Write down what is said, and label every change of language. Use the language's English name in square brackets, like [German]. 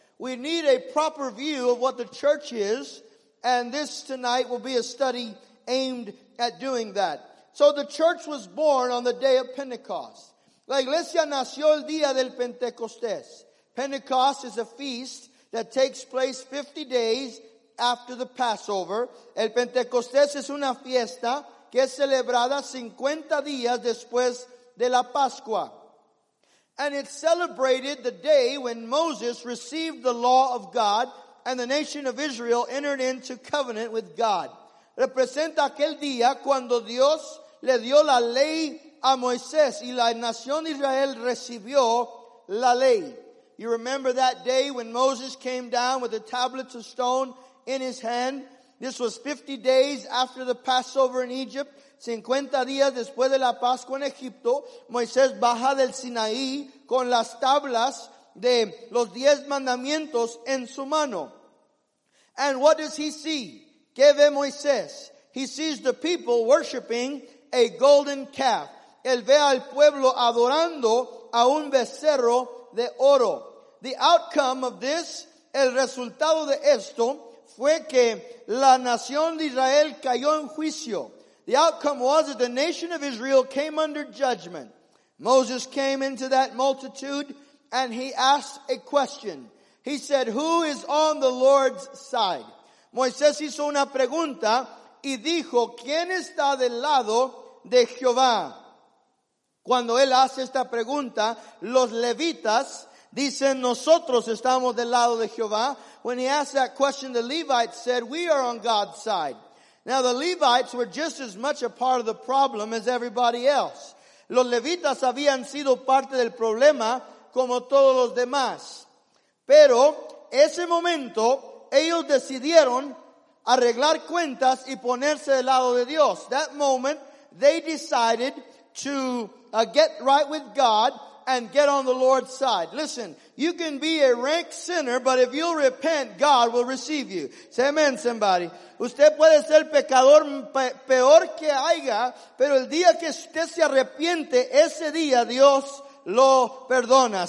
[English] We need a proper view of what the church is, and this tonight will be a study aimed at doing that. So the church was born on the day of Pentecost. [Spanish] La iglesia nació el día del Pentecostés. [English] Pentecost is a feast that takes place 50 days after the Passover. [Spanish] El Pentecostés es una fiesta que es celebrada 50 días después de la Pascua. [English] And it celebrated the day when Moses received the law of God and the nation of Israel entered into covenant with God. [Spanish] Representa aquel día cuando Dios le dio la ley a Moisés y la nación de Israel recibió la ley. [English] You remember that day when Moses came down with the tablets of stone in his hand? This was 50 days after the Passover in Egypt. [Spanish] 50 días después de la Pascua en Egipto, Moisés baja del Sinaí con las tablas de los 10 mandamientos en su mano. [English] And what does he see? [Spanish] ¿Qué ve Moisés? [English] He sees the people worshiping a golden calf. [Spanish] Él ve al pueblo adorando a un becerro de oro. [English] The outcome of this, [Spanish] el resultado de esto, fue que la nación de Israel cayó en juicio. [English] The outcome was that the nation of Israel came under judgment. Moses came into that multitude and he asked a question. He said, who is on the Lord's side? [Spanish] Moisés hizo una pregunta y dijo, ¿quién está del lado de Jehová? Cuando él hace esta pregunta, los levitas dicen, nosotros estamos del lado de Jehová. [English] When he asked that question, the Levites said, we are on God's side. Now the Levites were just as much a part of the problem as everybody else. [Spanish] Los levitas habían sido parte del problema como todos los demás. Pero ese momento ellos decidieron arreglar cuentas y ponerse del lado de Dios. [English] That moment they decided to get right with God and get on the Lord's side. Listen, you can be a rank sinner, but if you'll repent, God will receive you. Say amen, somebody. [Spanish] Usted puede ser pecador peor que haya, pero el día que usted se arrepiente, ese día Dios lo perdona.